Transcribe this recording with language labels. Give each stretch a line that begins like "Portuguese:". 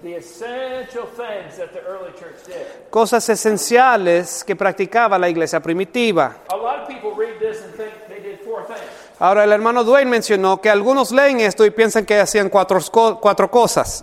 English: the essential things that the early church did.
Spanish: Cosas esenciales que practicaba la iglesia primitiva.
English: A lot of people read this and think they did four things.
Spanish: Ahora el hermano Dwayne mencionó que algunos leen esto y piensan que hacían cuatro cosas.